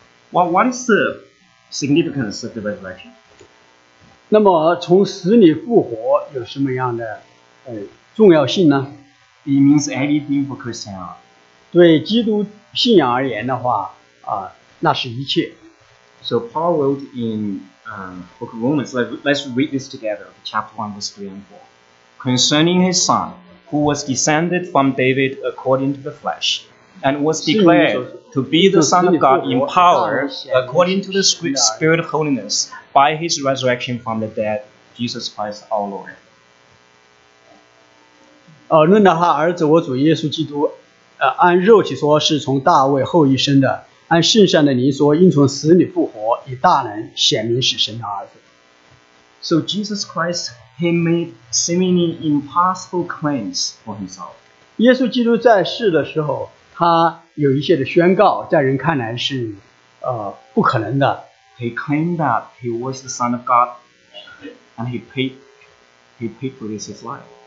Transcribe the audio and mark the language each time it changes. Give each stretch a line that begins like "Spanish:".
English: Well, what is the significance of the resurrection?
Chinese: 那么从死里复活有什么样的重要性呢？
English: It means everything for Christian.
Chinese: 对基督信仰而言的话那是一切。
English: So Paul wrote in book of Romans, let's read this together, chapter 1, verse 3 and 4. Concerning his son, who was descended from David according to the flesh, and was declared to be the Son of God in power according to the Spirit of holiness by his resurrection from the dead, Jesus Christ our Lord.
Chinese: 论到他儿子我主耶稣基督按肉体说是从大卫后裔生的，按圣上的灵说因从死里复活，以大能显明是神的儿子。
English: So Jesus Christ, he made seemingly impossible claims for himself.
Chinese: 耶稣基督在世的时候，他有一些的宣告，在人看来是不可能的。
English: He claimed that he was the Son of God, and he paid for this his life.